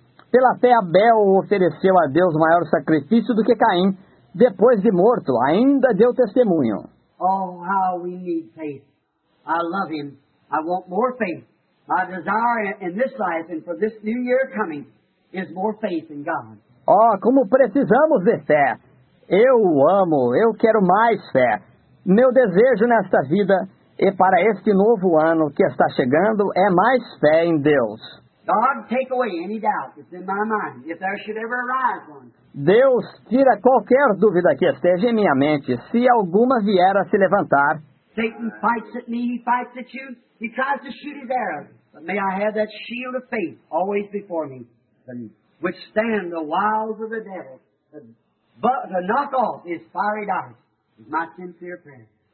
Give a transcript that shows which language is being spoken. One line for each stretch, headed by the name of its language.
Portuguese: Pela fé, Abel ofereceu a Deus maior sacrifício do que Caim. Depois de morto, ainda deu testemunho.
English: Oh, how we need faith. I love him. I want more faith. My desire in this life and for this new year coming is more faith in God.
Portuguese: Oh, como precisamos de fé. Eu o amo. Eu quero mais fé. Meu desejo nesta vida e para este novo ano que está chegando é mais fé em Deus.
English: God, take away any doubt that's in my mind, if there should ever arise one.
Portuguese: Deus, tira qualquer dúvida que esteja em minha mente, se alguma vier a se levantar.
English: Satan fights at me, he fights at you. He tries to shoot his arrow, but may I have that shield of faith always before me, which stand the wiles of the devil, but to knock off his fiery darts, is my sincere prayer.